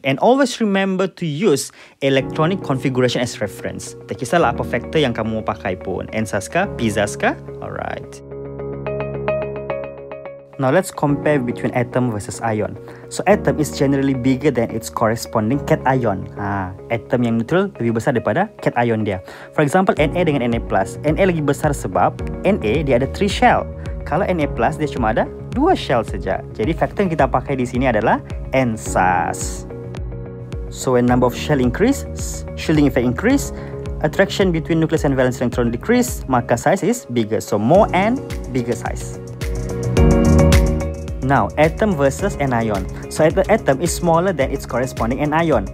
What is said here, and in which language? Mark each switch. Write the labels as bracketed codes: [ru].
[en] And always remember to use electronic configuration as reference. [ms] Tak kisahlah apa factor yang kamu mau pakai pun, NSAS kah, PZAS kah. [en] Alright, now let's compare between atom versus ion. So atom is generally bigger than its corresponding cation. [ms] Atom yang neutral lebih besar daripada cation dia. [en] For example, [ms] Na dengan Na+. Na lagi besar sebab Na dia ada 3 shell. Kalau Na+, dia cuma ada 2 shell saja. Jadi faktor yang kita pakai di sini adalah NSAS. [en] So when number of shell increase, shielding effect increase, attraction between nucleus and valence electron decrease, [ms] maka [en] size is bigger. So more N, bigger size. Now, atom versus anion. So, atom is smaller than its corresponding anion.